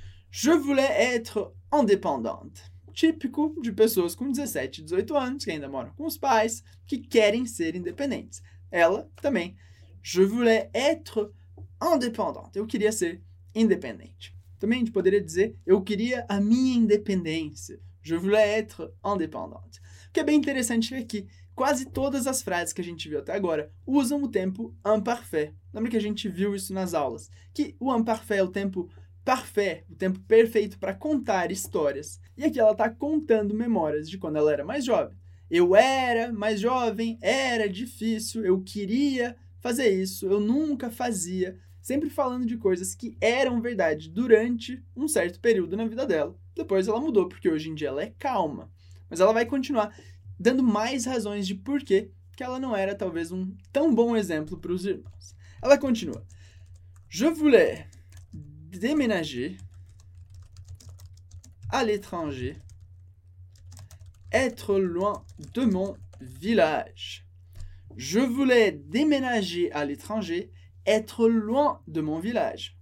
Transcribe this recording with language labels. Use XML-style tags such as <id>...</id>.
<fr>Je voulais être indépendante.</fr> <pt>Típico de pessoas com 17, 18 anos, que ainda moram com os pais, que querem ser independentes. Ela também.</pt> <fr>Je voulais être indépendante.</fr> <pt>Eu queria ser independente. Também a gente poderia dizer, eu queria a minha independência.</pt> <fr>Je voulais être independente.</fr> <pt>O que é bem interessante é que quase todas as frases que a gente viu até agora usam o tempo imparfait. Lembra que a gente viu isso nas aulas? Que o imparfait é o tempo parfait, o tempo perfeito para contar histórias. E aqui ela está contando memórias de quando ela era mais jovem. Eu era mais jovem, era difícil, eu queria fazer isso, eu nunca fazia. Sempre falando de coisas que eram verdade durante um certo período na vida dela. Depois ela mudou, porque hoje em dia ela é calma. Mas ela vai continuar dando mais razões de por que ela não era talvez um tão bom exemplo para os irmãos. Ela continua.</pt> <fr>Je voulais déménager à l'étranger, être loin de mon village. Je voulais déménager à l'étranger, être loin de mon village.</fr>